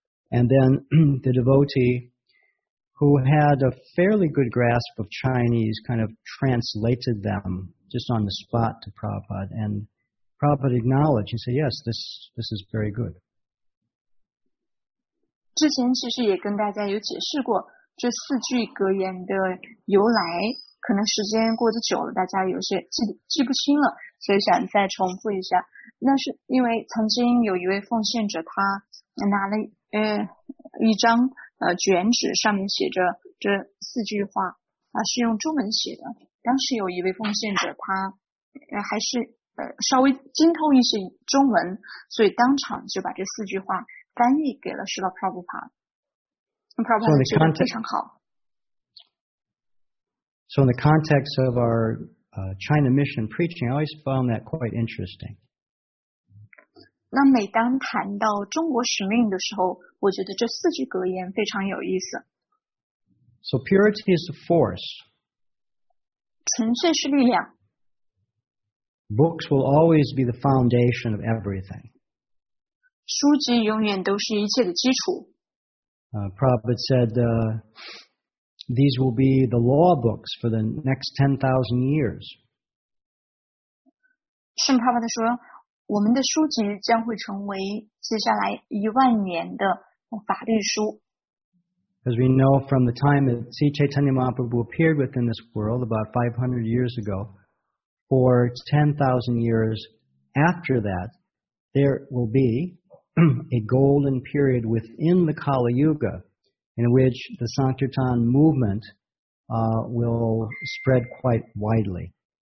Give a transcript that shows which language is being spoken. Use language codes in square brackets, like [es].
[en] And then the devotee, who had a fairly good grasp of Chinese, kind of translated them just on the spot to Prabhupada. And Prabhupada acknowledged, he said, yes, this is very good. [zh] 之前其实也跟大家有解释过这四句格言的由来，可能时间过得久了，大家有些记不清了，所以想再重复一下。那是因为曾经有一位奉献者，他拿了一张卷纸，上面写着这四句话是用中文写的。当时有一位奉献者他还是稍微精通一些中文，所以当场就把这四句话翻译给了Srila Prabhupada。 Prabhupada 觉得非常好。 [en] So in the context of our China mission preaching, I always found that quite interesting. [zh] 那每当谈到中国使命的时候，我觉得这四句格言非常有意思。 [en] So purity is a force. [zh] 纯粹是力量。 [en] Books will always be the foundation of everything. [zh] 书籍永远都是一切的基础。 [en] Prabhupada said, these will be the law books for the next 10,000 years. [zh] 圣帕帕的说我们的书籍将会成为接下来一万年的法律书。 [en] As we know from the time that Sri Chaitanya Mahaprabhu appeared within this world about 500 years ago, for 10,000 years after that, there will be a golden period within the Kali Yuga in which the Sankirtan movement will spread quite widely.